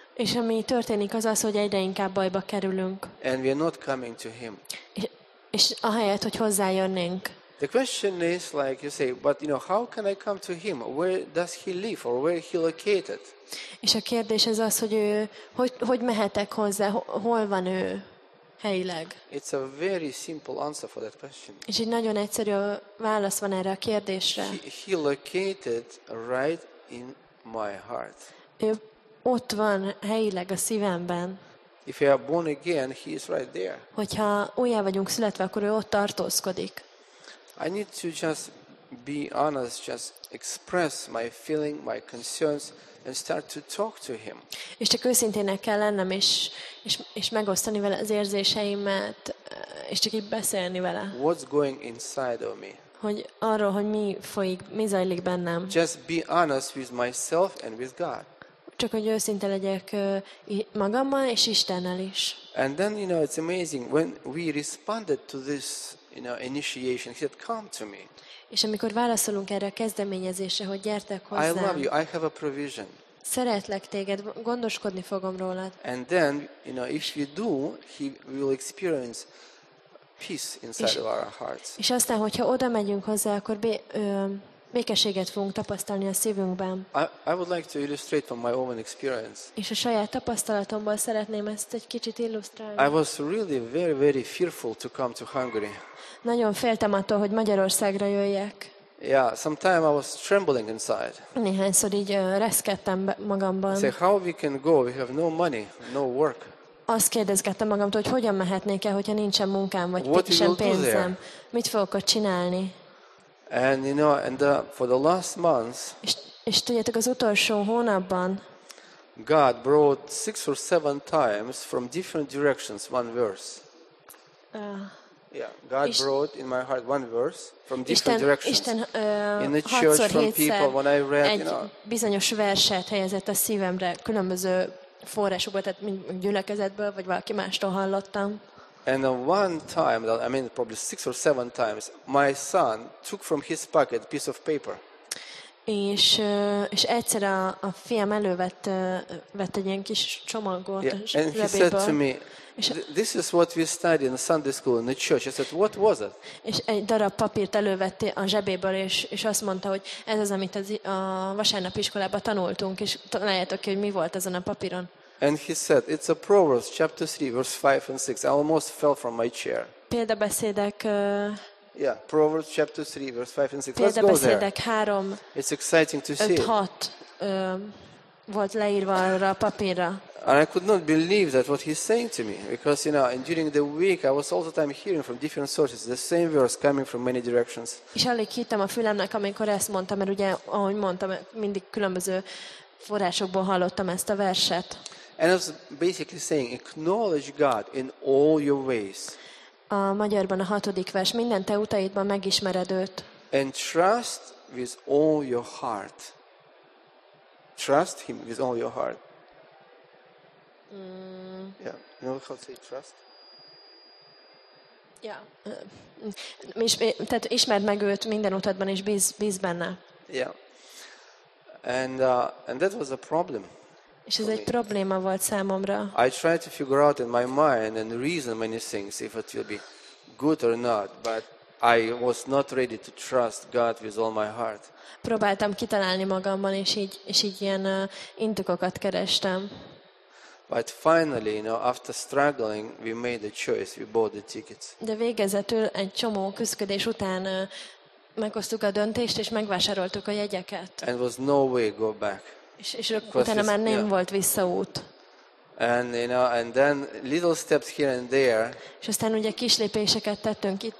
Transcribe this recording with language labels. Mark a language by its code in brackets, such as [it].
[hu] És ami történik, az az, hogy egyre inkább bajba kerülünk. [en] And we are not coming to him. [hu] És ahelyett, hogy hozzájönnénk. [en] The question is like you say, but you know, how can I come to him? Where does he live or where he located? [hu] És a kérdés az az, hogy hogy mehetek hozzá, hol van ő helyileg? [en] It's a very simple answer for that question. [hu] És egy nagyon egyszerű válasz van erre a kérdésre. [en] He located right in my heart. [hu] Ő ott van helyileg a szívemben. [en] If you are born again, he is right there. [hu] Hogyha újjá vagyunk születve, akkor ő ott tartózkodik. [en] I need to just be honest, just express my feeling, my concerns, and start to talk to him. [hu] És csak őszintének kell lennem, és megosztani vele az érzéseimet, és csak így beszélni vele. [en] What's going inside of me? [hu] Hogy arról, hogy mi folyik, mi zajlik bennem. [en] Just be honest with myself and with God. [hu] Csak hogy őszinte legyek magammal és Istennel is. [en] And then you know it's amazing when we responded to this, you know, initiation. He said, come to me. [hu] És amikor válaszolunk erre a kezdeményezésre, hogy gyertek hozzám. [en] I love you. I have a provision. [hu] Szeretlek téged, gondoskodni fogom rólad. [en] And then you know if you do, he will experience peace inside of our hearts. [hu] És aztán, hogyha oda megyünk hozzá, akkor békességet fogunk tapasztalni a szívünkben. [en] I would like to illustrate from my own experience. [hu] És a saját tapasztalatomból szeretném ezt egy kicsit illusztrálni. [en] I was really very very fearful to come to Hungary. [hu] Nagyon féltem attól, hogy Magyarországra jöjjek. [en] Yeah, sometime I was trembling inside. [hu] Néhányszor így reszkedtem magamban. [en] Say, how we can go? We have no money, no work. [hu] Azt kérdezgettem magamtól, hogy hogyan mehetnék el, hogyha nincsen munkám vagy sem pénzem. Mit fogok ott csinálni? [en] And you know, and for the last months. [hu] És tudjátok, az utolsó hónapban. [en] God brought 6 or 7 times from different directions one verse. God brought in my heart one verse from different directions. In the church from people when I read, you know. [hu] Egy bizonyos verset helyezett a szívemre különböző forrásokból, tehát gyülekezetből vagy valaki mástól hallottam. [en] And one time, I mean probably 6 or 7 times, my son took from his pocket a piece of paper. [hu] És egyszer a fiam elővette egy ilyen kis csomagot. [en] Yeah. And he said to me, this is what we study in Sunday school in the church. I said, what was it? [hu] És egy darab papírt elővette a zsebéből, és azt mondta, hogy ez az, amit a vasárnapi iskolában tanultunk, és találjátok ki, hogy mi volt ezen a papíron. [en] And he said, it's a Proverbs chapter 3, verse 5 and 6. I almost fell from my chair. [hu] Példabeszédek. [en] Yeah, Proverbs chapter 3, verse 5 and 6. Let's go there. [hu] 3, [en] it's exciting to [hu] 5, [en] see. [hu] 6, volt leírva arra a papírra. [en] And I could not believe that what he's saying to me, because you know, and during the week I was all the time hearing from different sources the same verse coming from many directions. [hu] És alig hittem a fülemnek, amikor ezt mondtam, mert ugye, ahogy mondtam, mindig különböző forrásokból hallottam ezt a verset. [en] And it's basically saying, acknowledge God in all your ways. [hu] A magyarban a 6. vers, minden te utaidban megismered őt. [en] And trust with all your heart. Trust him with all your heart. Yeah, you know how to say trust? Yeah. [hu] Tehát ismerd meg őt minden utadban, és bíz benne. [en] Yeah. And that was a problem. [hu] És ez egy probléma volt számomra. [en] I tried to figure out in my mind and reason many things if it will be good or not, but I was not ready to trust God with all my heart. [hu] Próbáltam kitalálni magamban, és így ilyen indokokat kerestem. [en] But finally, you know, after struggling, we made a choice, we bought the tickets. [hu] De végezetül egy csomó küszködés után meghoztuk a döntést, és megvásároltuk a jegyeket. [en] And was no way go back. [hu] És utána már nem volt visszaút. [en] And you know, and then little steps here and there. [hu] És aztán ugye kis lépéseket tettünk itt.